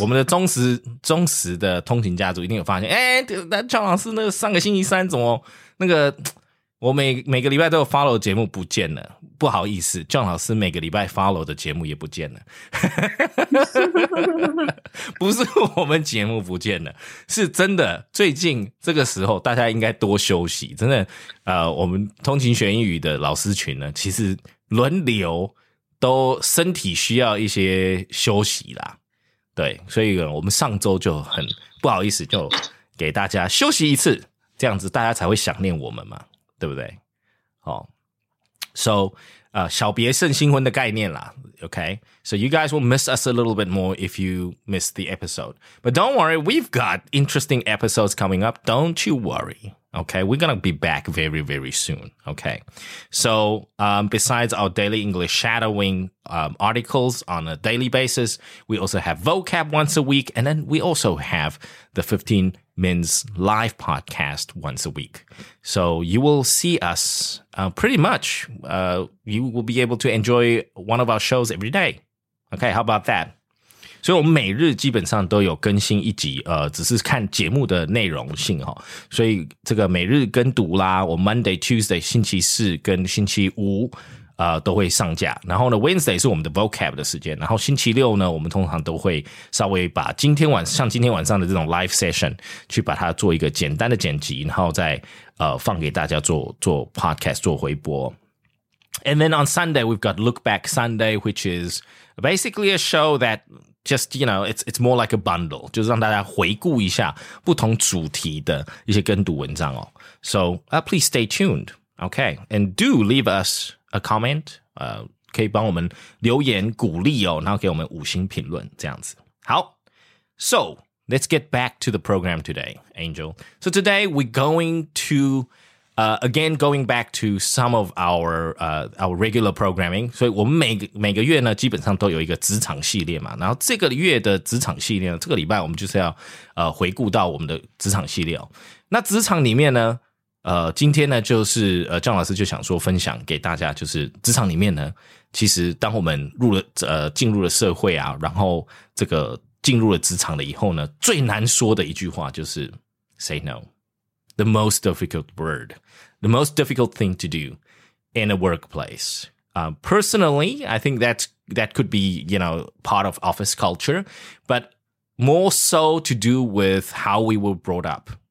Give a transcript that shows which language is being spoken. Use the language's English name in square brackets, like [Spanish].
[Chinese] 我们的忠实的通勤家族一定有发现，哎，那乔老师那个上个星期三怎么那个我每个礼拜都有 follow 节目不见了，不好意思，乔老师每个礼拜 follow 的节目也不见了，不是我们节目不见了，是真的最近这个时候大家应该多休息，真的，我们通勤学英语的老师群呢，其实轮流。都身体需要一些休息啦，对，所以我们上周就很不好意思，就给大家休息一次，这样子大家才会想念我们嘛，对不对？好、， [English] so [Chinese] 小别胜新婚的概念啦 ， [English] okay? So you guys will miss us a little bit more if you miss the episode, but don't worry, we've got interesting episodes coming up. Don't you worry. Okay, we're gonna be back very, very soon. Okay, so besides our daily English shadowing articles on a daily basis, we also have vocab once a week, and then we also have the 15 Men's Live podcast once a week. So you will see us pretty much. You will be able to enjoy one of our shows every day. Okay, how about that? [Chinese] 所以我们每日基本上都有更新一集，只是看节目的内容性齁。所以这个每日跟读啦，我 [English] Monday, Tuesday, [Chinese] 星期四跟星期五都会上架。然后呢 , [English] Wednesday [Chinese] 是我们的 vocab 的时间。然后星期六呢，我们通常都会稍微把今天晚上的这种 [English] live session [Chinese] 去把它做一个简单的剪辑，然后再放给大家做 podcast, 做回播。 [English] And then on Sunday, we've got Look Back Sunday, which is basically a show thatJust, you know, it's more like a bundle. [Chinese] 就是让大家回顾一下不同主题的一些跟读文章哦。 [English] So, please stay tuned. Okay. And do leave us a comment. [Chinese] 可以帮我们留言鼓励哦，然后给我们五星评论这样子。好。 [English] So, let's get back to the program today, Angel. So today we're going to, again, going back to some of our regular programming. [Chinese] 所以我们每个月呢基本上都有一个职场系列嘛。然后这个月的职场系列呢，这个礼拜我们就是要回顾到我们的职场系列、哦。那职场里面呢今天呢就是John老师就想说分享给大家，就是职场里面呢其实当我们进入了社会啊，然后这个进入了职场了以后呢，最难说的一句话就是 [English] say no. The most difficult word, the most difficult thing to do in a workplace. Personally, I think that could be, you know, part of office culture, but more so to do with how we were brought up.